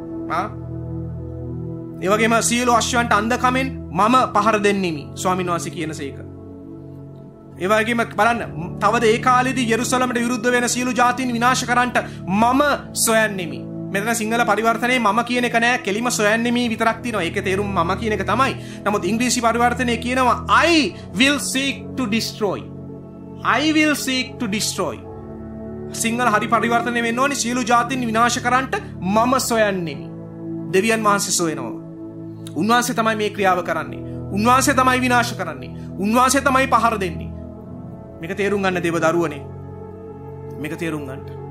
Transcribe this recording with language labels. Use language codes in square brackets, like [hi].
[si] හා ඒ වගේම සියලු අශ්වයන්ට අන්ධකමෙන් මම පහර දෙන්නෙමි. ස්වාමින්වහන්සේ කියන සේක. ඒ වගේම බලන්න, තවද ඒ කාලෙදී යෙරුසලමට විරුද්ධ වෙන සියලු ජාතීන් විනාශ කරන්නට මම සොයන්නෙමි. මෙතන සිංහල පරිවර්තනයේ මම කියන එක නෑ, කෙලිම සොයන්නෙමි විතරක් තියෙනවා. ඒකේ තේරුම මම කියන එක තමයි. නමුත් ඉංග්‍රීසි පරිවර්තනයේ කියනවා [en] I will seek to destroy. I will seek to destroy. [si] Sinhala හරි පරිවර්තනය වෙන්න ඕනේ, සියලු ජාතීන් විනාශ කරන්නට මම සොයන්නෙමි. දෙවියන් වහන්සේ සොයනවා. උන්වහන්සේ තමයි මේ ක්‍රියාව කරන්නේ. උන්වහන්සේ තමයි විනාශ කරන්නේ. උන්වහන්සේ තමයි පහර දෙන්නේ. මේක තේරුම් ගන්න දේව දරුවනේ. මේක තේරුම් ගන්න.